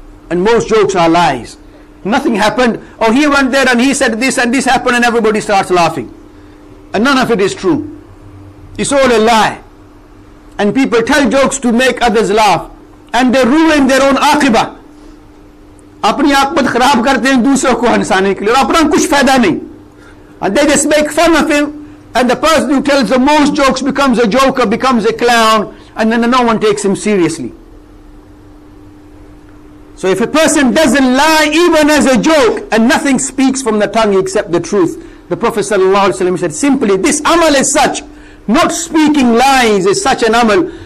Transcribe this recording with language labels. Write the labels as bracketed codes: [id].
[en] And most jokes are lies. Nothing happened. Oh, he went there and he said this and this happened and everybody starts laughing. And none of it is true. It's all a lie. And people tell jokes to make others laugh. And they ruin their own aqibah. [ur] اپنی عاقبت خراب کرتے ہیں دوسرو کو ہنسانے کے لیے۔ اپنا کچھ فائدہ نہیں۔ [en] And they just make fun of him. And the person who tells the most jokes becomes a joker, becomes a clown. And then no one takes him seriously. So if a person doesn't lie even as a joke and nothing speaks from the tongue except the truth, the Prophet sallallahu alaihi wasallam said, simply this amal is such, not speaking lies is such an amal.